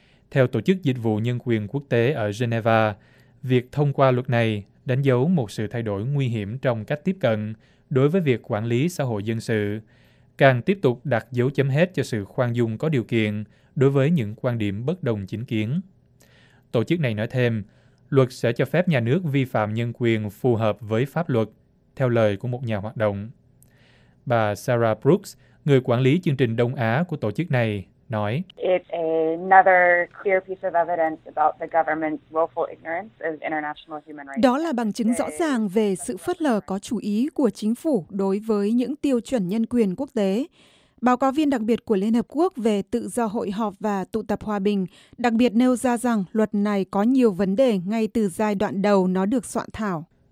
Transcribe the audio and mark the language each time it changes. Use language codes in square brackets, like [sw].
[vi] Theo Tổ chức Dịch vụ Nhân quyền Quốc tế ở Geneva, việc thông qua luật này đánh dấu một sự thay đổi nguy hiểm trong cách tiếp cận đối với việc quản lý xã hội dân sự, càng tiếp tục đặt dấu chấm hết cho sự khoan dung có điều kiện đối với những quan điểm bất đồng chính kiến. Tổ chức này nói thêm, luật sẽ cho phép nhà nước vi phạm nhân quyền phù hợp với pháp luật, theo lời của một nhà hoạt động. Bà Sarah Brooks, người quản lý chương trình Đông Á của tổ chức này, nói: [en] It's another clear piece of evidence about the government's willful ignorance of international human rights. [vi] Đó là bằng chứng rõ ràng về sự phớt lờ có chủ ý của chính phủ đối với những tiêu chuẩn nhân quyền quốc tế. Báo cáo viên đặc biệt của Liên Hợp Quốc về tự do hội họp và tụ tập hòa bình đặc biệt nêu ra rằng luật này có nhiều vấn đề ngay từ giai đoạn đầu nó được soạn thảo.